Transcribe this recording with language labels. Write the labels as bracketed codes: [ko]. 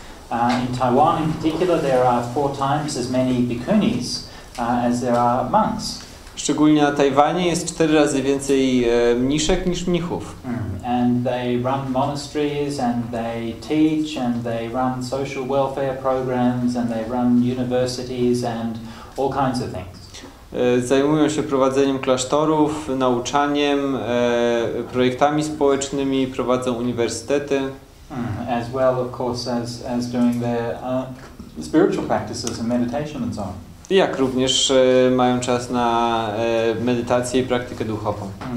[en] In Taiwan, in particular, there are four times as many bhikkhunis as there are monks. [pl] Szczególnie na Tajwanie jest 4 razy więcej mniszek niż mnichów. [en] And they run monasteries and they teach and they run social welfare programs and they run universities and all kinds of things. [pl] Zajmują się prowadzeniem klasztorów, nauczaniem, projektami społecznymi, prowadzą uniwersytety. [en] As well, of course, as doing their spiritual practices and meditation and so on. [pl] Jak również mają czas na medytację i praktykę duchową.